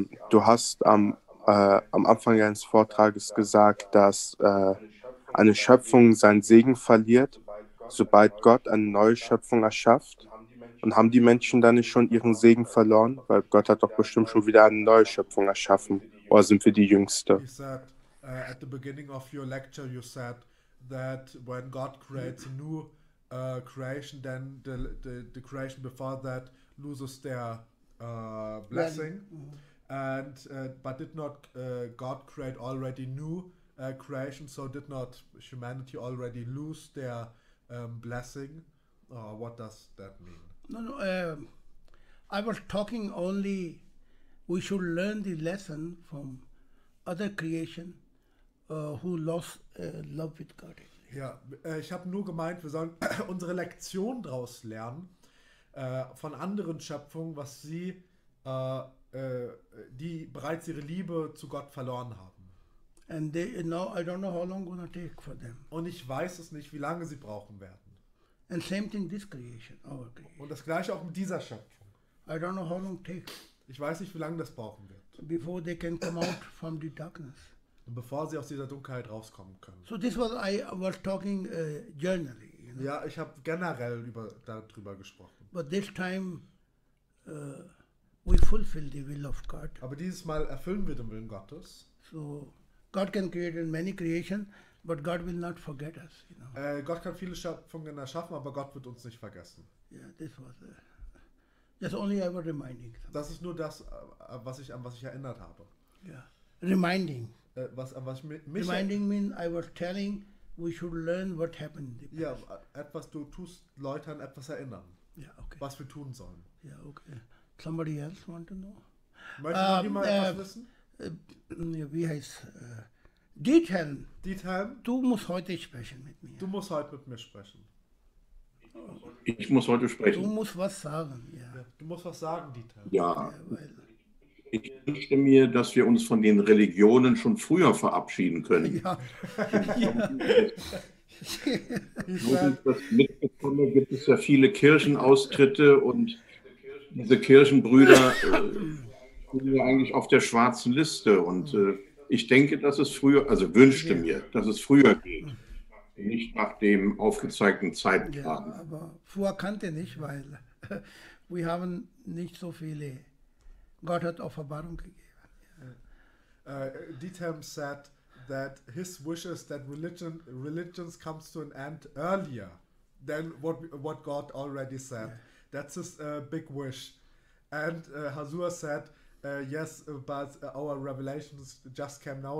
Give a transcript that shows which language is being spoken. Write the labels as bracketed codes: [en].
[de] Du hast am Anfang deines Vortrages gesagt, dass eine Schöpfung seinen Segen verliert, sobald Gott eine neue Schöpfung erschafft. Und haben die Menschen dann nicht schon ihren Segen verloren? Weil Gott hat doch bestimmt schon wieder eine neue Schöpfung erschaffen. Oder sind wir die Jüngste? [en] At the beginning of your lecture, you said that when God creates a new creation, then the creation before that loses their blessing. And but did not God create already new creation? So did not humanity already lose their blessing? What does that mean? No. I was talking only. We should learn the lesson from other creation. Who lost love with God. [de] Ja, ich habe nur gemeint, wir sollen unsere Lektion daraus lernen, von anderen Schöpfungen, was sie, die bereits ihre Liebe zu Gott verloren haben. [en] And they, now I don't know how long gonna take for them. [de] Und ich weiß es nicht, wie lange sie brauchen werden. [en] And same thing this creation, our creation. [de] Und das gleiche auch mit dieser Schöpfung. [en] I don't know how long takes. [de] Ich weiß nicht, wie lange das brauchen wird. [en] Before they can come out from the darkness. [de] Und bevor sie aus dieser Dunkelheit rauskommen können. [en] So this was, I was talking generally. You [de] know? Ja, ich habe generell darüber gesprochen. [en] But this time we fulfill the will of God. [de] Aber dieses Mal erfüllen wir den Willen Gottes. [en] So God can create in many creation, but God will not forget us. You know? [de] Gott kann viele Schöpfungen erschaffen, aber Gott wird uns nicht vergessen. [en] Yeah, this was just only I was reminding. Something. [de] Das ist nur das, was ich erinnert habe. [en] Yeah, reminding. [de] Was mich [en] reminding mean, I was telling, we should learn what happened. [de] Ja, yeah, etwas du tust, läutern, etwas erinnern. Ja, yeah, okay. Was wir tun sollen. [en] Ja, yeah, okay. Somebody else want to know? [de] Möchte jemand etwas wissen? Wie heißt Diethelm. Diethelm? Du musst heute sprechen mit mir. Du musst heute mit mir sprechen. Ich muss heute sprechen. Du musst was sagen, ja. Du musst was sagen, Diethelm. Ja. Weil ich wünschte mir, dass wir uns von den Religionen schon früher verabschieden können. Ja. So wie ich das mitbekomme, gibt es ja viele Kirchenaustritte und diese Kirchenbrüder sind ja eigentlich auf der schwarzen Liste. Und ich denke, dass es früher, also wünschte mir, dass es früher geht. Nicht nach dem aufgezeigten Zeitplan. Ja, aber vorher kannte nicht, weil wir haben nicht so viele. Gott hat Offenbarung gegeben. [en] Diethelm said that his wish is that religions comes to an end earlier than what God already said. Yeah. That's his big wish. And Hazur said, yes, but our revelations just came now.